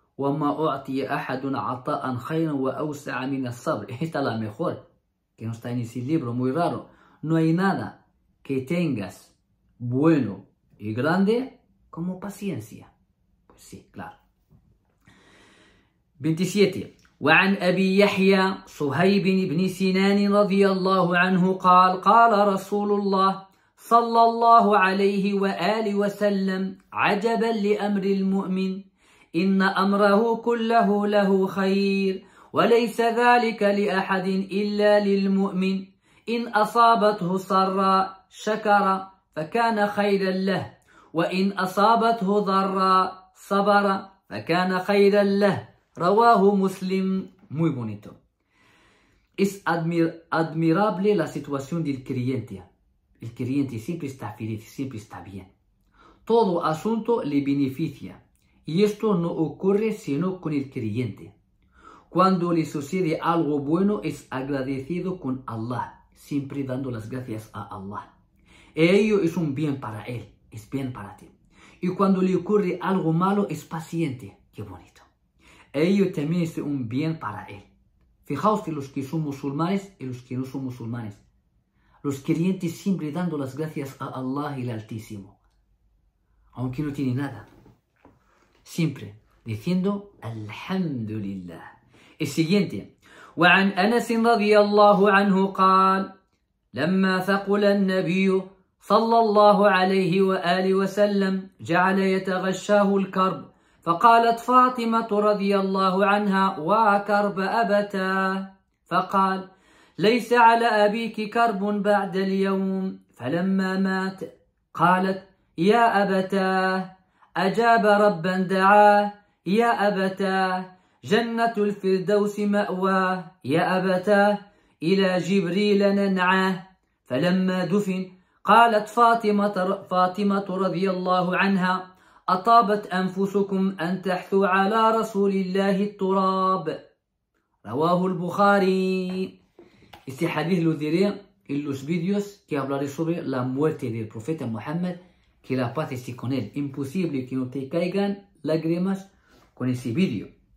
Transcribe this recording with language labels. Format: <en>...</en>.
<ar>وَمَا أُعْتِيَ أَحَدٌ عَطَاءً خَيْرًا وَأَوْسَعَ مِنَ الصَّبْرِ.</ar> <es>Esta es la mejor. Que no está en ese libro. Muy raro. No hay nada que tengas bueno y grande como paciencia. Pues sí, claro. 27.</es> <ar>وعن أبي يحيى صهيب بن سنان رضي الله عنه قال قال رسول الله صلى الله عليه وآله وسلم عجبا لأمر المؤمن إن أمره كله له خير وليس ذلك لأحد إلا للمؤمن إن أصابته سراء شكر فكان خيرا له وإن أصابته ضراء صبر فكان خيرا له رواه مسلم.</ar> <es>Muy bonito. Es admirable la situación del creyente. El creyente siempre está feliz, siempre está bien. Todo asunto le beneficia. Y esto no ocurre sino con el creyente. Cuando le sucede algo bueno, es agradecido con Allah, siempre dando las gracias a Allah. Ello es un bien para él, es bien para ti. Y cuando le ocurre algo malo, es paciente. Qué bonito. Ello también es un bien para él. Fijaos en los que son musulmanes y los que no son musulmanes. Los creyentes siempre dando las gracias a Allah el Altísimo. Aunque no tiene nada. Siempre diciendo Alhamdulillah. El siguiente.</es> <ar>وعن أنس رضي الله عنه قال لما ثقل النبي صلى الله عليه وآله وسلم جعل يتغشاه الكرب فقالت فاطمة رضي الله عنها وكرب أبتا فقال ليس على أبيك كرب بعد اليوم. ف فلما مات قالت يا أبتاه. أجاب ربا دعاه يا أبتاه، جنة الفردوس مأواه، يا أبتاه إلى جبريل ننعاه. فلما دفن قالت فاطمة رضي الله عنها أطابت أنفسكم أن تحثوا على رسول الله التراب. رواه البخاري.</ar> <es>Este hadith lo diré en los vídeos que hablaré sobre la muerte del profeta Muhammad, que la paz esté con él. Imposible que no te caigan lágrimas con ese vídeo.</es>